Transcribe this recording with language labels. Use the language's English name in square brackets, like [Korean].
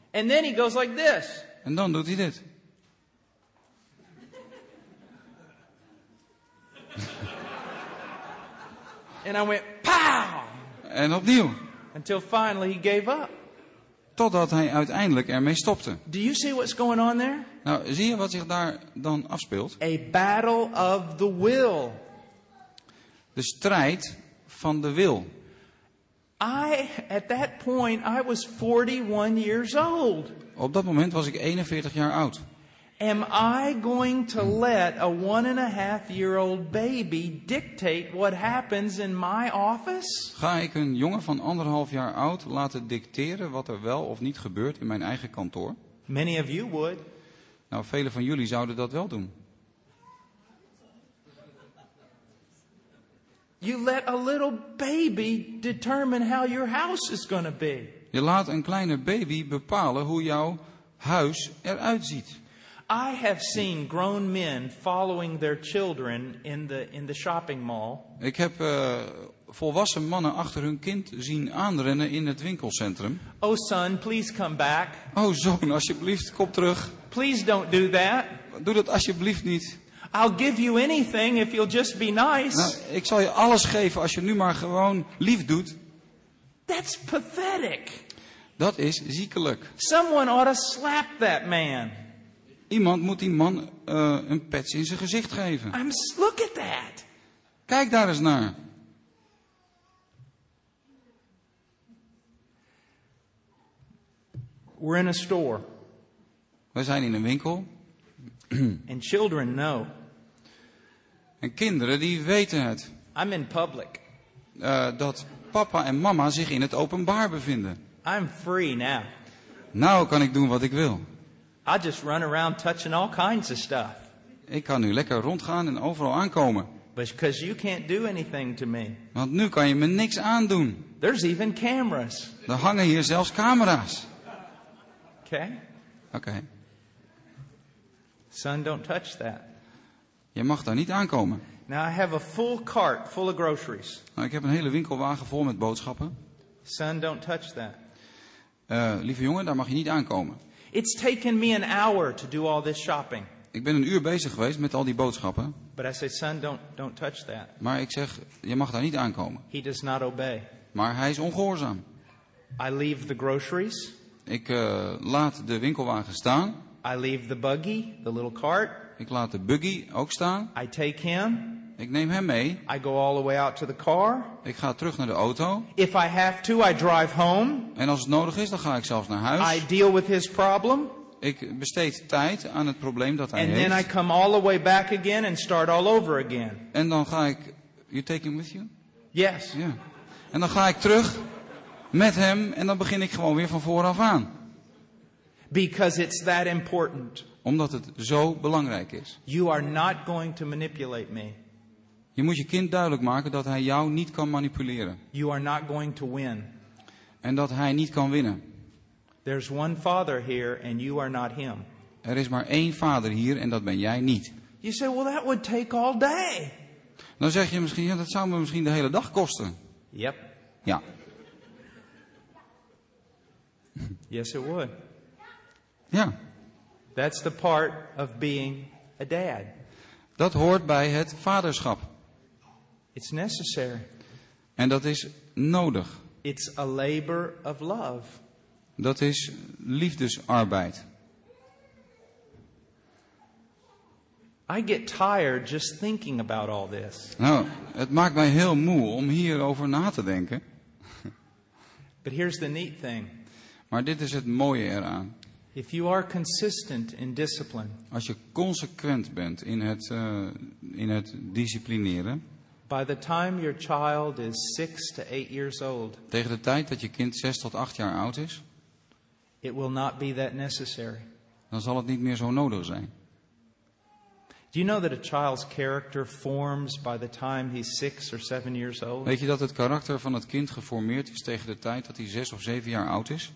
[English] And then he goes like this. [Dutch] En dan doet hij dit. [English] And I went, pow. [Dutch] En opnieuw. [English] Until finally he gave up. [Dutch] Totdat hij uiteindelijk ermee stopte. [English] Do you see what's going on there? [Dutch] Nou, zie je wat zich daar dan afspeelt? [English] A battle of the will. [Dutch] De strijd van de wil. [English] I, at that point, I was 41 years old. [Dutch] Op dat moment was ik 41 jaar oud. [English] Am I going to let a 1.5-year-old baby dictate what happens in my office? [Dutch] Ga ik een jongen van 1.5 jaar oud laten dicteren wat er wel of niet gebeurt in mijn eigen kantoor? [English] Many of you would. [Dutch] Nou, velen van jullie zouden dat wel doen. [English] You let a little baby determine how your house is going to be. [Dutch] Je laat een kleine baby bepalen hoe jouw huis eruit ziet. [English] I have seen grown men following their children in the shopping mall. [Dutch] Ik heb volwassen mannen achter hun kind zien aanrennen in het winkelcentrum. [English] Oh son, please come back. [Dutch] Oh zoon, alsjeblieft, kom terug. [English] Please don't do that. [Dutch] Doe dat alsjeblieft niet. [English] I'll give you anything if you'll just be nice. [Dutch] Nou, ik zal je alles geven als je nu maar gewoon lief doet. [English] That's pathetic. [Dutch] Dat is ziekelijk. [English] Someone ought to slap that man. [Dutch] Iemand moet die man een pets in zijn gezicht geven. [English] Look at that. [Dutch] Kijk daar eens naar. [English] We're in a store. [Dutch] We zijn in een winkel. [English] And children know. [Dutch] En kinderen die weten het. [English] I'm in public. [Dutch] Dat papa en mama zich in het openbaar bevinden. [English] I'm free now. [Dutch] Nou kan ik doen wat ik wil. [English] I just run around touching all kinds of stuff. [Dutch] Ik kan nu lekker rondgaan en overal aankomen. [English] Because you can't do anything to me. [Dutch] Want nu kan je me niks aandoen. [English] There's even cameras. [Dutch] Er hangen hier zelfs camera's. [English] Okay. [Dutch] Okay. [English] Son, don't touch that. [Dutch] Je mag daar niet aankomen. [English] Now I have a full cart full of groceries. [Dutch] Nou, ik heb een hele winkelwagen vol met boodschappen. [English] Son, don't touch that. [Dutch] Lieve jongen, daar mag je niet aankomen. [English] It's taken me an hour to do all this shopping. [Dutch] Ik ben een uur bezig geweest met al die boodschappen. [English] But I say, son, don't touch that. [Dutch] Maar ik zeg, je mag daar niet aankomen. [English] He does not obey. [Dutch] Maar hij is ongehoorzaam. [English] I leave the groceries. [Dutch] Ik laat de winkelwagen staan. [English] I leave the buggy, the little cart. [Dutch] Ik laat de buggy ook staan. [English] I take him. [Dutch] Ik neem hem mee. [English] I go all the way out to the car. [Dutch] Ik ga terug naar de auto. [English] If I have to, I drive home. [Dutch] En als het nodig is, dan ga ik zelfs naar huis. [English] I deal with his problem. [Dutch] Ik besteed tijd aan het probleem dat hij [English] and [Dutch] heeft. [English] And then I come all the way back again and start all over again. [Dutch] En dan ga ik. [English] You take him with you? Yes. [Dutch] Ja. Yeah. En dan ga ik terug met hem en dan begin ik gewoon weer van vooraf aan. [English] Because it's that important. [Dutch] Omdat het zo belangrijk is. [English] You are not going to manipulate me. [Dutch] Je moet je kind duidelijk maken dat hij jou niet kan manipuleren. [English] You are not going to win. [Dutch] En dat hij niet kan winnen. [English] There's one father here and you are not him. [Dutch] Er is maar één vader hier en dat ben jij niet. [English] You say, well, that would take all day. [Dutch] Dan zeg je misschien, ja, dat zou me misschien de hele dag kosten. [English] Yep. [Dutch] Ja. [English] Yes, it would. [Dutch] Ja. [English] That's the part of being a dad. [Dutch] Dat hoort bij het vaderschap. [English] It's necessary. [Dutch] En dat is nodig. [English] It's a labor of love. [Dutch] Dat is liefdesarbeid. [English] I get tired just thinking about all this. [Dutch] Nou, het maakt mij heel moe om hierover na te denken. [English] But here's the neat thing. [Dutch] Maar dit is het mooie eraan. [English] If you are consistent in discipline. [Dutch] Als je consequent bent in het disciplineren. [English] By the time your child is 6 to 8 years old. [Dutch] Tegen de tijd dat je kind 6 tot 8 jaar oud is. [English] It will not be that necessary. [Dutch] Dan zal het niet meer zo nodig zijn. [English] Do you know that a child's character forms by the time he's 6 or 7 years old? [Dutch] Weet je dat het karakter van het kind geformeerd is tegen de tijd dat hij 6 of 7 jaar oud is?